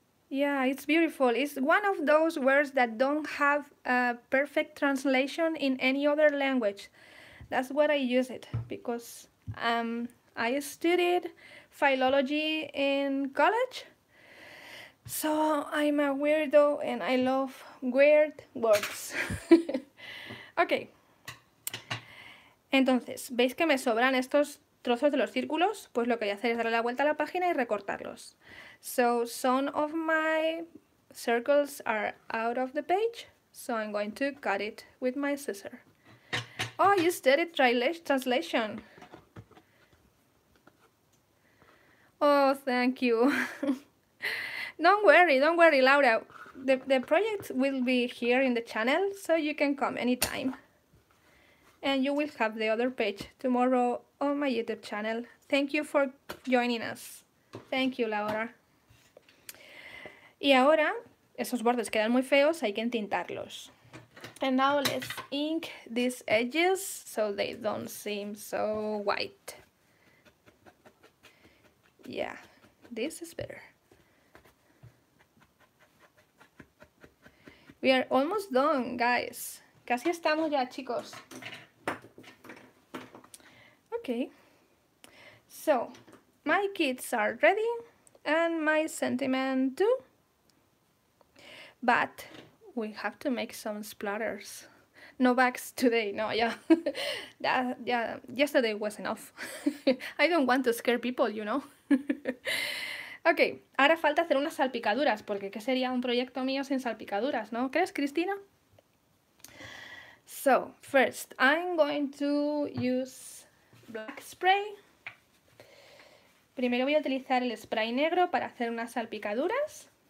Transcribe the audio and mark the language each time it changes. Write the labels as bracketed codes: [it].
[en] Yeah, it's beautiful. It's one of those words that don't have a perfect translation in any other language. That's what I use it because I studied philology in college. So I'm a weirdo and I love weird words. Okay. [es] Entonces, ¿veis que me sobran estos trozos de los círculos? Pues lo que voy a hacer es darle la vuelta a la página y recortarlos. [en] So some of my circles are out of the page, so I'm going to cut it with my scissor. Oh, you studied translation. Oh, thank you. Don't worry, Laura. The project will be here in the channel, so you can come anytime. And you will have the other page tomorrow on my YouTube channel. Thank you for joining us. Thank you, Laura. [es] Y ahora, esos bordes quedan muy feos, hay que entintarlos. [en] And now let's ink these edges so they don't seem so white. Yeah, this is better. We are almost done, guys. [es] Casi estamos ya, chicos. [en] Okay. So, my kits are ready and my sentiment too. But we have to make some splatters. No bags today. No, yeah. yeah, yesterday was enough. I don't want to scare people, you know. [es] Okay, ahora falta hacer unas salpicaduras, porque ¿qué sería un proyecto mío sin salpicaduras, no? ¿Crees, Cristina? [en] So, first, I'm going to use black spray. [es] Primero voy a utilizar el spray negro para hacer unas salpicaduras.